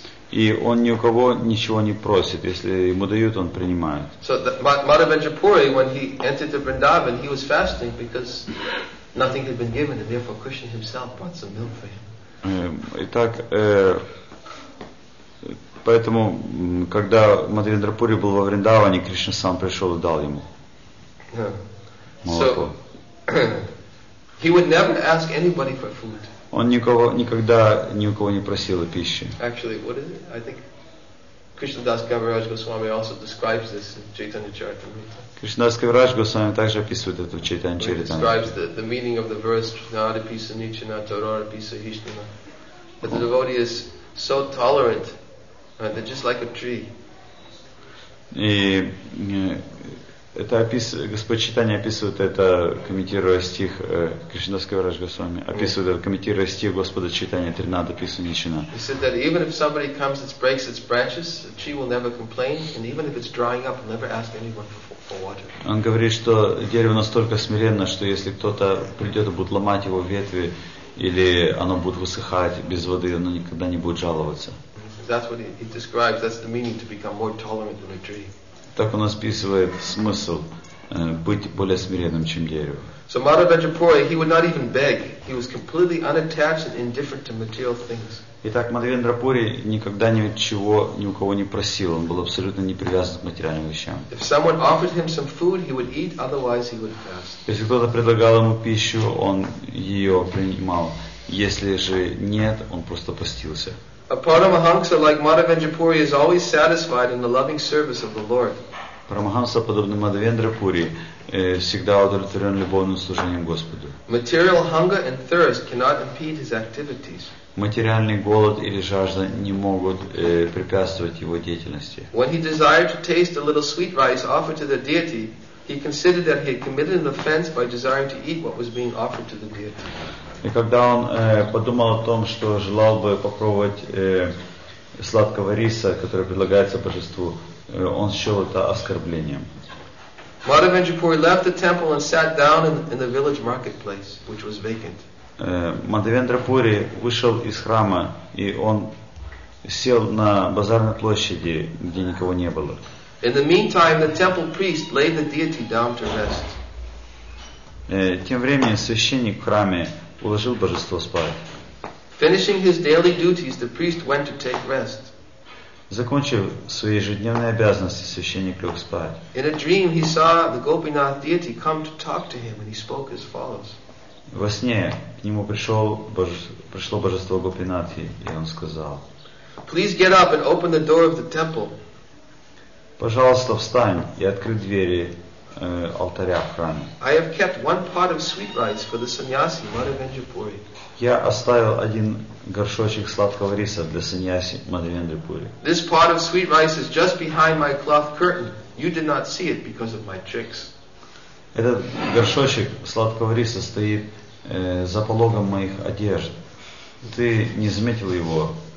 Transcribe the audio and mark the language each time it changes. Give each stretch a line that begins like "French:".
Russian: И он ни у кого ничего не просит. Если ему дают, он принимает.
English: So Madhavendra Puri, when he entered the Vrindavan, he was fasting because nothing had been given, and therefore Krishna himself brought some milk for him.
Russian: Итак, поэтому, когда Мадхавендра Пури был во Вриндаване, Кришна сам пришел и дал ему молоко.
English: He would never ask anybody for food.
Russian: Он никого никогда ни у кого не просил пищи.
English: Actually, what is it? I think Krishnadas Kaviraj Goswami also describes this in Chaitanya Charitamrita.
Russian: Кришнадас Кавираж Госвами также описывает это в Чайтанья Чаритамрите.
English: He describes the meaning of the verse Nadapi Sanichana Tararapi Sahishnana. That the devotee is so tolerant, right, that just like a tree.
Russian: И это Господь Чайтанья описывает это, комментируя стих Кришнадас Кавираж Госвами, описывает это, комментируя стих Господа Чайтанья Тринадапи Сунишина.
English: He said that even if somebody comes and breaks its branches, a tree will never complain, and even if it's drying up, it'll never ask anyone for food.
Russian: Он говорит, что дерево настолько смиренно, что если кто-то придет и будет ломать его ветви, или оно будет высыхать без воды, оно никогда не будет жаловаться.
English: That's what he describes. That's the meaning to become more tolerant than a tree.
Russian: Так он описывает смысл быть более смиренным, чем дерево.
English: So Madhavendra Puri, he would not even beg. He was completely unattached and indifferent to material things.
Russian: Итак, Мадхавендра Пури никогда ничего ни у кого не просил. Он был абсолютно не привязан к материальным вещам.
English: If someone offered him some food, he would eat, otherwise he would fast.
Russian: Если кто-то предлагал ему пищу, он ее принимал. Если же нет, он просто постился.
English: A Paramahansa like Madhavendra Puri is always satisfied in the loving service of the Lord.
Russian: Парамахамса, подобный Мадхавендра Пури, всегда удовлетворен любовным служением Господу.
English: Material hunger and thirst cannot impede his activities.
Russian: Материальный голод или жажда не могут препятствовать его деятельности.
English: When he desired to taste a little sweet rice offered to the deity, he considered that he had committed an offense by desiring to eat what was being offered to the deity.
Russian: И когда он подумал о том, что желал бы попробовать сладкого риса, который предлагается божеству, он счел это оскорблением.
English: Madhavendrapuri left the temple and sat down in the village marketplace, which was vacant.
Russian: Madhavendrapuri вышел из храма и он сел на базарной площади, где никого не было.
English: In the meantime, the temple priest laid the deity down to rest.
Russian: Тем временем священник в храме уложил божество спать.
English: Finishing his daily duties, the priest went to take rest.
Russian: Закончив свои ежедневные обязанности, священник лег спать.
English: In a dream, he saw the Gopinath deity come to talk to him, and he spoke as follows.
Russian: Во сне к нему пришло божество Гопинатхи, и он сказал:
English: Please get up and open the door of the temple.
Russian: Пожалуйста, встань и открой двери алтаря в храме.
English: I have kept one pot of sweet rice for the sannyasi Madhavendrapuri.
Russian: Я оставил один горшочек сладкого риса для саньяси Мадхавендрапури.
English: This pot of sweet rice is just behind my cloth curtain. You did not see it because of my tricks.
Russian: Этот горшочек сладкого риса стоит за пологом моих одежд. Ты не заметил его.